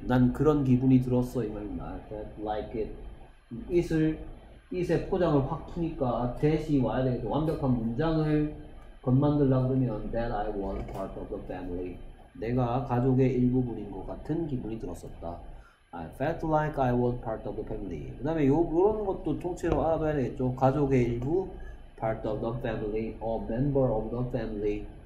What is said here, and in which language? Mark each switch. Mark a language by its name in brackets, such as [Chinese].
[Korean] 난 그런 기분이 들었어 이 말입니다. [English] I felt like it. [Korean] it을 it의 포장을 확 푸니까 that이 와야 되겠죠. 완벽한 문장을 건만들라 그러면 [English] that I was part of the family. [Korean] 내가 가족의 일부분인 것 같은 기분이 들었었다. [English] I felt like I was part of the family. [Korean] 그 다음에 요런 것도 통째로 알아봐야 되겠죠. 가족의 일부, [English] part of the family, or member of the family.